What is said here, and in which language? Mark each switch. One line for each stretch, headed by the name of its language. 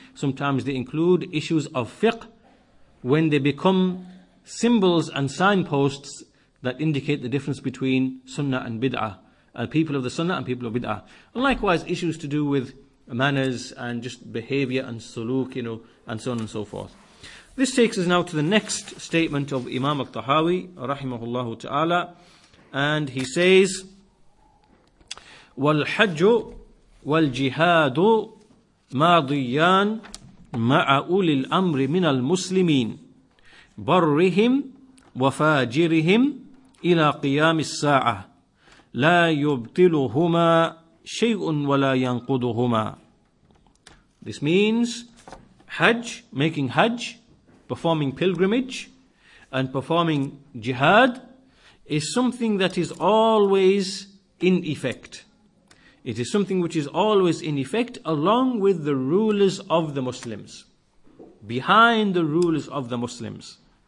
English: Sometimes they include issues of fiqh when they become symbols and signposts that indicate the difference between sunnah and bid'ah, people of the sunnah and people of bid'ah. And likewise, issues to do with manners and just behavior and suluk, you know, and so on and so forth. This takes us now to the next statement of Imam al-Tahawi, rahimahullah ta'ala, and he says,
Arabic: وَالْحَجُّ وَالْجِهَادُ مَاضِيَّانْ مَعَ أُولِي الْأَمْرِ مِنَ الْمُسْلِمِينَ بَرِّهِمْ وَفَاجِرِهِمْ إِلَى قِيَامِ السَّاعَةِ لَا يُبْطِلُهُمَا شَيْءٌ وَلَا يَنْقُدُهُمَا.
English: This means Hajj, making Hajj, performing pilgrimage, and performing jihad is something that is always in effect. It is something which is always in effect along with the rulers of the Muslims, behind the rulers of the Muslims.